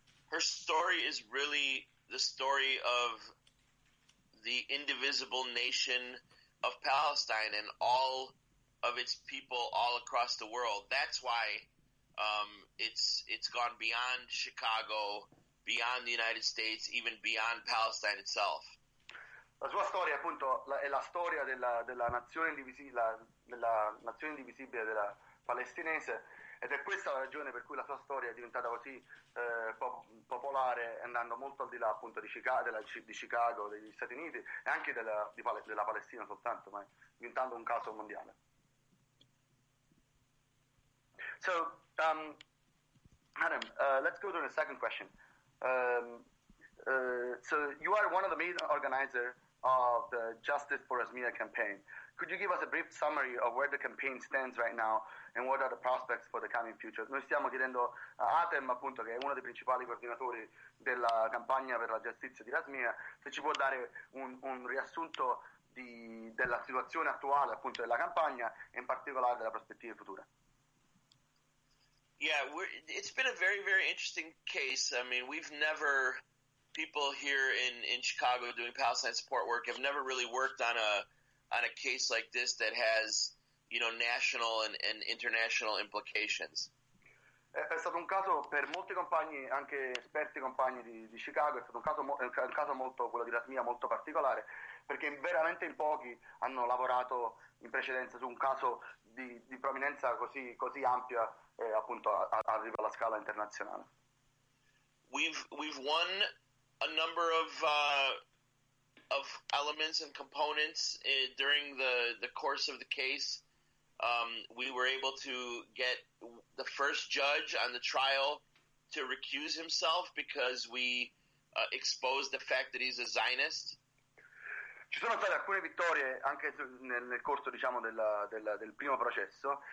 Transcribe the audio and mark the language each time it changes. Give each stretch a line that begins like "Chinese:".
English: Her story is really the story of the indivisible nation of Palestine and all of its people all across the world. That's why it's gone beyond Chicago, beyond the United States, even beyond Palestine itself.
Italian: La sua storia, appunto, è la storia della nazione indivisibile della palestinese ed è questa la ragione per cui la sua storia è diventata così popolare, andando molto al di là, appunto, di Chicago, degli Stati Uniti e anche della Palestina soltanto, ma diventando un caso mondiale.
English: Adam, let's go to the second question. So you are one of the main organizers of the Justice for Rasmina campaign. Could you give us a brief summary of where the campaign stands right now and what are the prospects for the coming future?
Italian: Noi stiamo chiedendo a Atem, appunto, che è uno dei principali coordinatori della campagna per la giustizia di Rasmina, se ci può dare un riassunto della situazione attuale, appunto, della campagna e in particolare della prospettiva futura.
English: Yeah, it's been a very, very interesting case. I mean, we've never, people here in Chicago doing Palestine support work have never really worked on a case like this that has, you know, national and international implications.
Italian: È stato un caso per molti compagni, anche esperti compagni di Chicago, è stato un caso molto, quello di Rasmina, molto particolare, perché veramente in pochi hanno lavorato in precedenza su un caso di prominenza così, così ampia, appunto arriva alla scala internazionale.
English: We've won a number of elements and components during the course of the case. We were able to get the first judge on the trial to recuse himself because we exposed the fact that he's a Zionist.
Italian: Ci sono state alcune vittorie anche nel corso, diciamo, del primo processo.